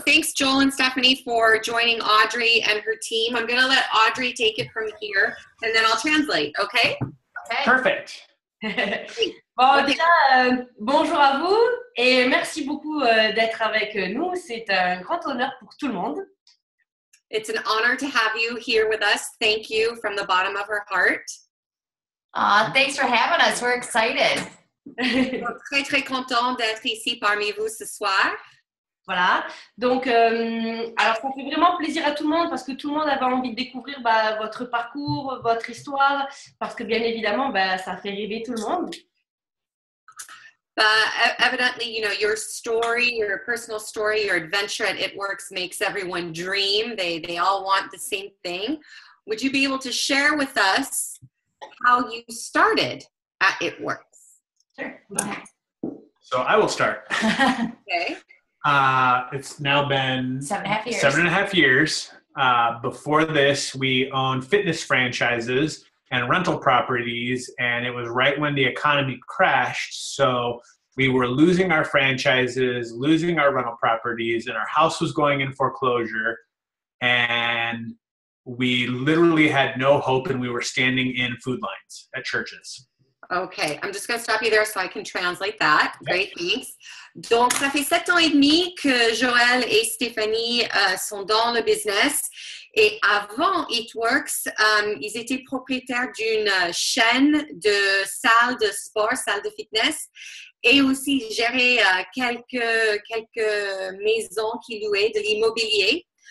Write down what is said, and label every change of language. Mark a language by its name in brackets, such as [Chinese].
[English] Thanks, Joel and Stephanie, for joining Audrey and her team. I'm going to let Audrey take it from here, and then I'll translate, okay? Okay. Perfect. [French] Bon, okay. Déjà, bonjour à vous, et merci beaucoup d'être avec nous. C'est un grand honneur pour tout le monde. [English] It's an honor to have you here with us. Thank you from the bottom of our heart. Thanks for having us. We're excited. [French] Très, très content d'être ici parmi vous ce soir. Voilà. Donc, alors, ça fait vraiment plaisir à tout le monde parce que tout le monde avait envie de découvrir votre parcours, votre histoire, parce que bien évidemment, ça fait rêver tout le monde. [English] But evidently, you know, your story, your personal story, your adventure at It Works makes everyone dream. They all want the same thing. Would you be able to share with us how you started at It Works? Sure. So I will start. Okay. It's now been 7.5 years. 7.5 years. Before this, we owned fitness franchises and rental properties, and it was right when the economy crashed. So we were losing our franchises, losing our rental properties, and our house was going in foreclosure. And we literally had no hope, and we were standing in food lines at churches. Okay, I'm just going to stop you there so I can translate that. Yep. Great, thanks. [French] Donc, ça fait 7 ans et demi que Joël et Stéphanie sont dans le business. Et avant It Works, ils étaient propriétaires d'une chaîne de salles de sport, salles de fitness, et aussi géraient quelques maisons qui louaient de l'immobilier.